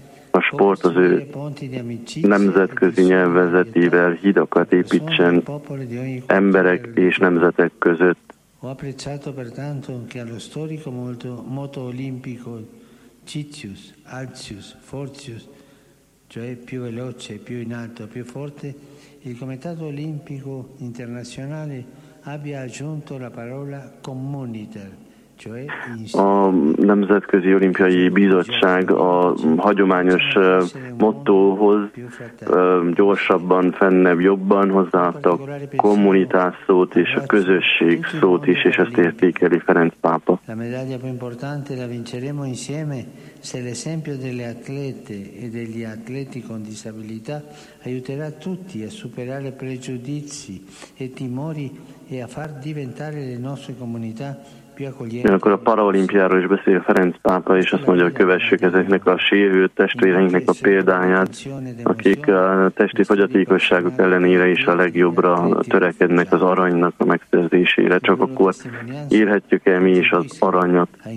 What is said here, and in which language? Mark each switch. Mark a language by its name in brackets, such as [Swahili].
[Hungarian] A sport az ő nemzetközi nyelvezetével hidakat építsen emberek és nemzetek között. [Italian] Abbia aggiunto la parola communiter, [Hungarian] A Nemzetközi Olimpiai Bizottság a hagyományos mottóhoz gyorsabban, fennebb, jobban hozzáadta a kommunitás szót és a közösség szót is, és ezt értékeli Ferenc pápa. [Italian] La medaglia più importante la vinceremo insieme se l'esempio delle atlete e degli atleti con disabilità aiuterà tutti a superare pregiudizi e timori e a far diventare le nostre comunità. [Hungarian] Ugyanakkor a paraolimpiáról is beszél Ferenc pápa, és azt mondja, hogy kövessük ezeknek a sérült testvéreinknek a példáját, akik a testi fogyatékosságok ellenére is a legjobbra törekednek az aranynak a megszerzésére. Csak akkor írhatjuk el mi is az aranyat.